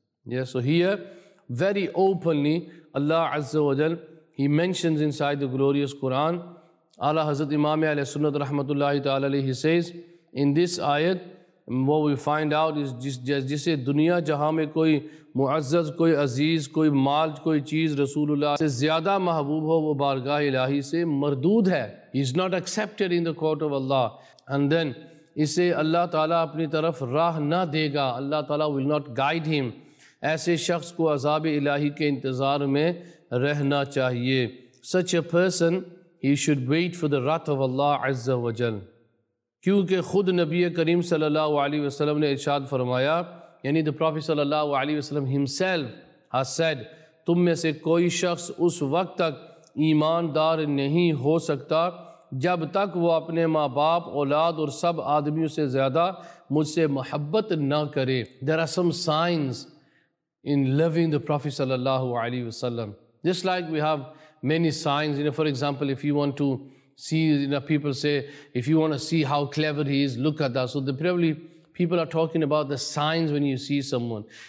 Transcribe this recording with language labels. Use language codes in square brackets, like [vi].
[en] Yeah, so here, very openly, Allah Azza wa Jal, He mentions inside the glorious Quran, Ala Hazrat Imam Alayhi Sunnat Rahmatullahi Ta'ala Alayhi, He says, in this ayat, and what we find out is [ur] جسے دنیا جہاں میں کوئی معزز, کوئی عزیز, کوئی مال, کوئی چیز رسول اللہ سے زیادہ محبوب ہو وہ بارگاہ الہی سے مردود ہے. [en] He is not accepted in the court of Allah. And then [ur] اسے اللہ تعالیٰ اپنی طرف راہ نہ دے گا. اللہ تعالیٰ [en] will not guide him. [ur] ایسے شخص کو عذاب الہی کے انتظار میں رہنا چاہیے. [en] Such a person, he should wait for the wrath of Allah عز و جل. [ur] کیونکہ خود نبی کریم صلی اللہ علیہ وسلم نے ارشاد فرمایا, یعنی [en] the Prophet صلی اللہ علیہ وسلم himself has said, [ur] تم میں سے کوئی شخص اس وقت تک ایماندار نہیں ہو سکتا جب تک وہ اپنے ماں باپ، اولاد اور سب آدمیوں سے زیادہ مجھ سے محبت نہ کرے. [en] There are some signs in loving the Prophet sallallahu alaihi wasallam. Just like we have many signs, you know, for example, if you want to see, you know, people say, if you want to see how clever he is, look at that. So the probably people are talking about the signs when you see someone.